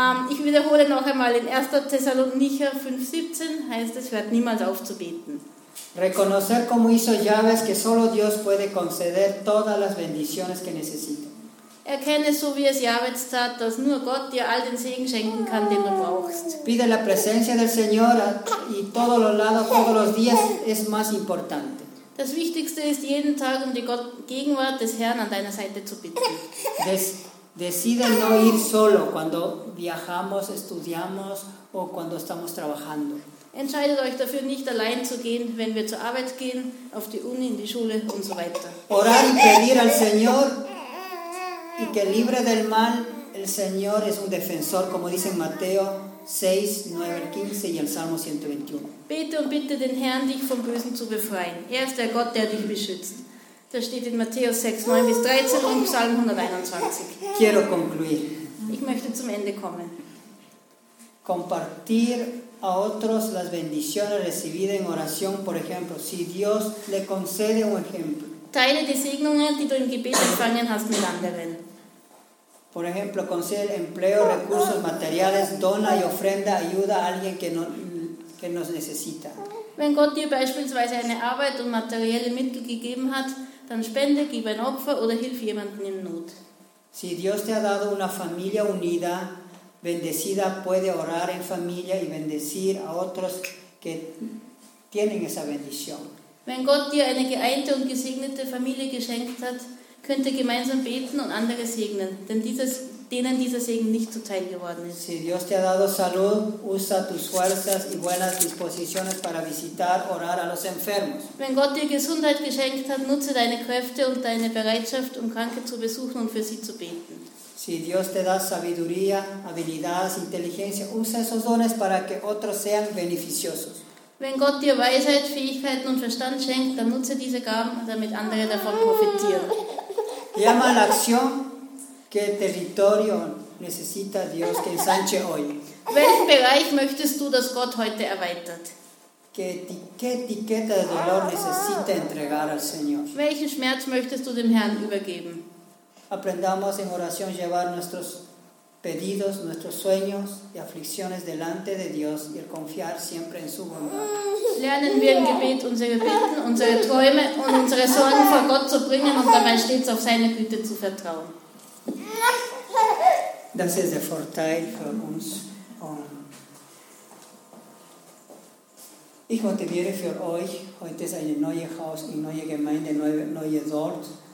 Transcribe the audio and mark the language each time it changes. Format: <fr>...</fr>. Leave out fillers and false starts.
<de>Ich wiederhole noch einmal, in 1. Thessalonicher 5,17 heißt es, hört niemals auf zu beten.</de> <es>Reconocer como hizo Jabez que solo Dios puede conceder todas las bendiciones que necesita.</es> <de>Erkenne so wie es Jabez tat, dass nur Gott dir all den Segen schenken kann, den du brauchst.</de> <es>Pide la presencia del Señor y todos los lados, todos los días es más importante.</es> <de>Das Wichtigste ist jeden Tag um die Gegenwart des Herrn an deiner Seite zu bitten.</de> <es>Decide no ir solo cuando viajamos, estudiamos o cuando estamos trabajando.</es> <de>Entscheidet euch dafür, nicht allein zu gehen, wenn wir zur Arbeit gehen, auf die Uni, in die Schule und so weiter.</de> <es>Orar y pedir al Señor y que libre del mal, el Señor es un defensor, como dice en Mateo 6, 9, 15 y el Salmo 121.</es> <de>Bete und bitte den Herrn, dich vom Bösen zu befreien. Er ist der Gott, der dich beschützt. Das steht in Matthäus 6, 9 bis 13 und Psalm 121.</de> <es>Quiero concluir.</es> <de>Ich möchte zum Ende kommen.</de> <es>Compartir a otros las bendiciones recibidas en oración, por ejemplo, si Dios le concede un ejemplo.</es> <de>Teile die Segnungen, die du im Gebet empfangen hast, mit anderen.</de> <es>Por ejemplo, concede empleo, recursos materiales, dona y ofrenda, ayuda a alguien que nos necesita.</es> <de>Wenn Gott dir beispielsweise eine Arbeit und materielle Mittel gegeben hat, dann spende, gib ein Opfer oder hilf jemandem in Not.</de> <es>Si Dios te ha dado una familia unida, bendecida puede orar en familia y bendecir a otros que tienen esa bendición.</es> <de>Wenn Gott dir eine geeinte und gesegnete Familie geschenkt hat, könnt ihr gemeinsam beten und andere segnen, denn denen dieser Segen nicht zuteil geworden ist.</de> <es>Si Dios te ha dado salud, usa tus fuerzas y buenas disposiciones para visitar, orar a los enfermos.</es> <de>Wenn Gott dir Gesundheit geschenkt hat, nutze deine Kräfte und deine Bereitschaft, um Kranke zu besuchen und für sie zu beten.</de> <es>Si Dios te da sabiduría, habilidades, inteligencia, usa esos dones para que otros sean beneficiosos.</es> <de>Wenn Gott dir Weisheit, Fähigkeiten und Verstand schenkt, dann nutze diese Gaben, damit andere davon profitieren.</de> <es>Llama a la acción que territorio necesita Dios que ensanche hoy.</es> <de>Welchen Bereich möchtest du, dass Gott heute erweitert?</de> <es>¿Qué etiqueta de dolor necesita entregar al Señor?</es> <de>Welchen Schmerz möchtest du dem Herrn übergeben?</de> <es>Aprendamos en oración llevar nuestros pedidos, nuestros sueños y aflicciones delante de Dios y el confiar siempre en su bondad.</es> <de>Lernen wir im Gebet unsere Bitten, unsere Träume und unsere Sorgen vor Gott zu bringen und dabei stets auf seine Güte zu vertrauen. Das ist der Vorteil für uns. Ich motiviere für euch, heute ist eine neue Haus, eine neue Gemeinde, neue Dorf.</de>